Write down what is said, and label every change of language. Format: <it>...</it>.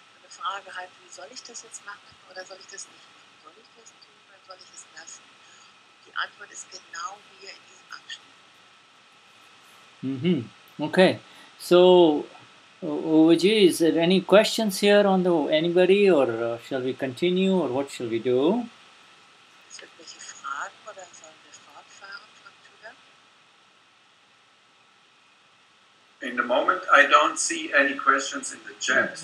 <de>Frage halt, wie soll ich das jetzt machen oder soll ich das nicht machen? Soll ich das tun oder soll ich es lassen? Und die Antwort ist genau hier in diesem Abschnitt. Mm-hmm. Okay.</de> <en>So, Uwaji, is there any questions here on the anybody or shall we continue or what shall we do?</en> <de>Es gibt welche Fragen oder sollen wir fortfahren von Tudor?</de> <en>In the moment I don't see any questions in the chat.</en>